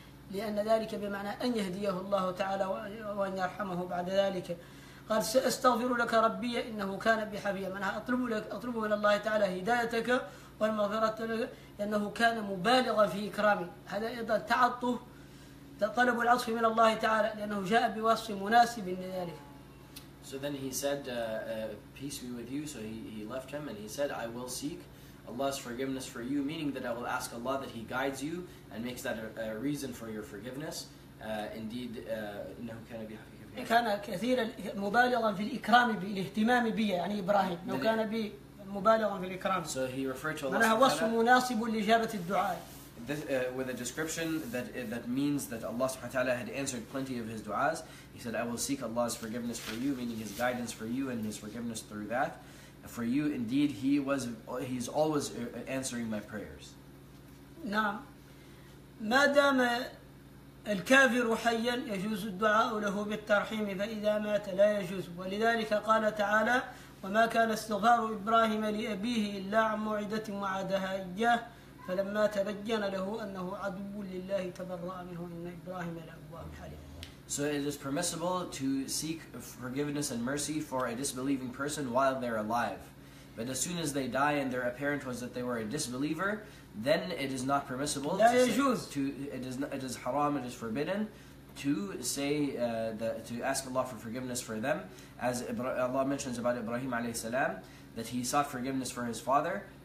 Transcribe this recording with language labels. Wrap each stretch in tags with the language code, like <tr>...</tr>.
<ar>لأن ذلك بمعنى أن يهديه الله تعالى وأن يرحمه بعد ذلك قال سأستغفر لك ربي إنه كان بي حفيا منها أطلب من الله تعالى هدايتك والمغفرة لأنه كان مبالغا في إكرامي هذا أيضا تعطف طلب العطف من الله تعالى لأنه جاء بوصف مناسب لذلك.</ar> <en>So then he said, peace be with you. So he left him and he said, I will seek Allah's forgiveness for you, meaning that I will ask Allah that He guides you and makes that a reason for your forgiveness. Indeed,</en> <ar>إنه كان بي حفيا. كان كثيرا مبالغا في الإكرام بالاهتمام بي يعني إبراهيم. لو كان بي</ar> <en>So he referred to Allah subhanahu wa ta'ala with a description that means that Allah subhanahu wa ta'ala had answered plenty of his du'as. He said, I will seek Allah's forgiveness for you, meaning his guidance for you and his forgiveness through that. For you, indeed, he's always answering my prayers.</en> <ar>نعم. ما دام الكافر حيا يجوز الدعاء له بالترحيم فإذا مات لا يجوز. ولذلك قال تعالى وما كان استغفار إبراهيم لأبيه إلا عن موعدة وعدها إياه فلما تبين له أنه عدو لله تبرأ منه إن إبراهيم لأواه حليم.</ar> <en>So it is permissible to seek forgiveness and mercy for a disbelieving person while they're alive. But as soon as they die and their apparent was that they were a disbeliever, then it is not permissible</en> <ar>لا يجوز.</ar> <en>It is haram, it is forbidden to say to ask Allah for forgiveness for them, as Allah mentions about Ibrahim alayhi salam, that he sought forgiveness for his father.</en>